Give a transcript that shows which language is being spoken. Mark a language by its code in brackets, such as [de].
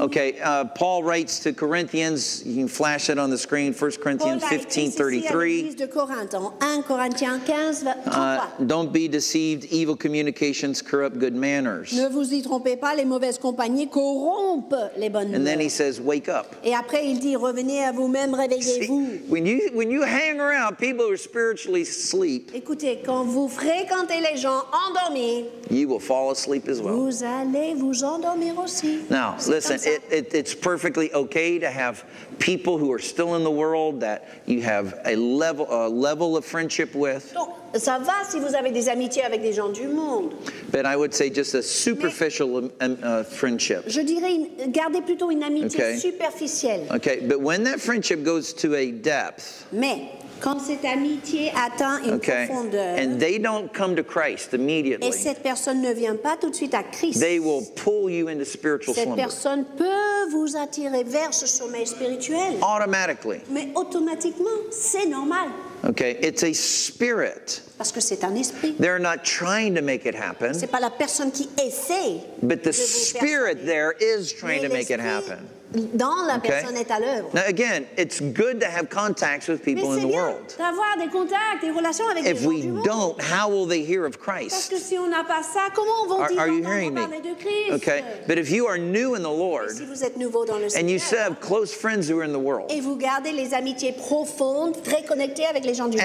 [en] Okay, Paul writes to Corinthians, you can flash it on the screen, 1 Corinthians 15:33. Don't be deceived, evil communications corrupt good manners. [fr] Ne vous y trompez pas, les mauvaises compagnies corrompent les bonnes manières. [en] And then he says, wake up. [fr] Et après il dit, revenez à vous-même, réveillez-vous. [en] When you hang around, people are spiritually asleep. [fr] Écoutez, quand vous fréquentez les gens endormis, [en] you will fall asleep as well. [fr] Vous allez vous endormir aussi. [en] Now, listen, it's perfectly okay to have people who are still in the world that you have a level of friendship with. [fr] Donc, ça va si vous avez des amitiés avec des gens du monde. [en] But I would say just a superficial friendship. [fr] Je dirais, gardez plutôt une amitié okay. superficielle. [en] Okay, but when that friendship goes to a depth, [fr] mais quand cette amitié atteint une [en] okay. [fr] profondeur, [en] and they don't come to Christ immediately, [fr] et cette personne ne vient pas tout de suite à Christ, [en] they will pull you into spiritual [fr] cette [en] slumber. [fr] Personne peut vous attirer vers ce sommeil spirituel. [en] Automatically. [fr] Mais automatiquement, c'est normal. [en] Okay, it's a spirit. [fr] Parce que c'est un esprit. [en] They're not trying to make it happen. [fr] C'est pas la personne qui essaie. [en] But the spirit there is trying to make it happen. [fr] Dans la okay. personne est à l'œuvre. [en] Now again, it's good to have contacts with people in the world. [fr] Mais c'est bien d'avoir des contacts, des relations avec les gens du monde. [en] If we don't, how will they hear of Christ? [fr] Parce que si on n'a pas ça, comment vont-ils entendre parler de Christ? [en] Okay. But if you are new in the Lord, [fr] si vous êtes nouveau dans le Seigneur, [en] and you still have close friends who are in the world, [fr] et vous gardez les amitiés profondes, très connectées avec les gens du monde,